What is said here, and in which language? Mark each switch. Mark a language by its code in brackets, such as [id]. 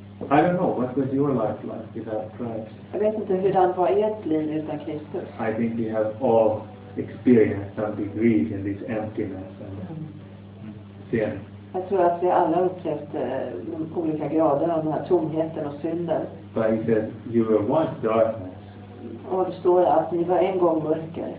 [en] I don't know, what was your life like without Christ? [sv] Jag vet inte hur det var ert liv utan Kristus. [en] I think we have all experienced some degree in this emptiness and sin. [sv] Jag tror att vi alla har upplevt olika grader av den här tomheten och synden. [en] But he said, you were once darkness. [sv] Och det står att ni var en gång mörker.